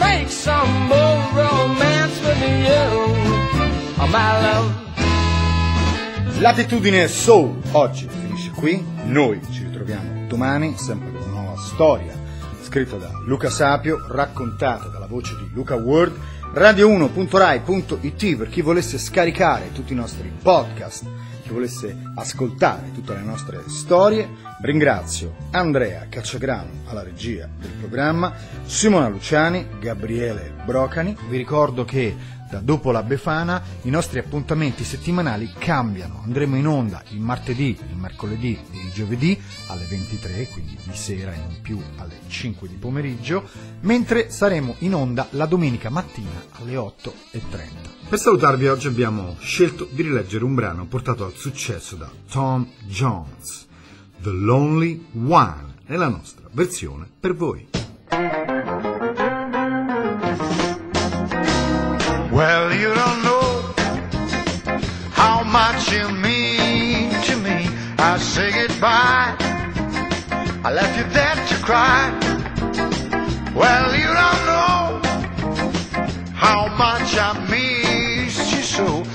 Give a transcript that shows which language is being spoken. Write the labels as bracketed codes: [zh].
[en] Some more romance with you, my love. [it] Latitudine Soul oggi finisce qui. Noi ci ritroviamo domani sempre con una nuova storia scritta da Luca Sapio, raccontata dalla voce di Luca Ward. radio1.rai.it per chi volesse scaricare tutti i nostri podcast, chi volesse ascoltare tutte le nostre storie. Ringrazio Andrea Cacciagrano alla regia del programma, Simona Luciani, Gabriele Brocani. Vi ricordo che da dopo la Befana i nostri appuntamenti settimanali cambiano. Andremo in onda il martedì, il mercoledì e il giovedì alle 23, quindi di sera in più alle 5 di pomeriggio, mentre saremo in onda la domenica mattina alle 8:30. Per salutarvi oggi abbiamo scelto di rileggere un brano portato al successo da Tom Jones, The Lonely One, nella nostra versione per voi. [en] Well, you don't know how much you mean to me. I say goodbye, I left you there to cry. Well, you don't know how much I miss you so.